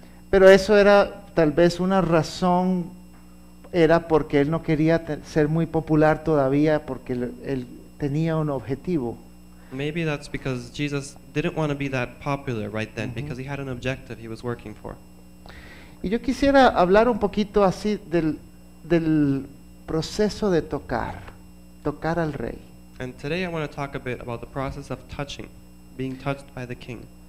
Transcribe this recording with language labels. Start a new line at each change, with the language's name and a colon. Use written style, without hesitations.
Spanish: Pero eso era tal vez una razón, era porque él no quería ser muy popular todavía, porque él tenía un objetivo.
English: Maybe that's because Jesus didn't want to be that popular right then, because he had an objective he was working for.
Spanish: Y yo quisiera hablar un poquito así del proceso de tocar al rey.
English: And today I want to talk a bit about the process of touching, being touched by the king.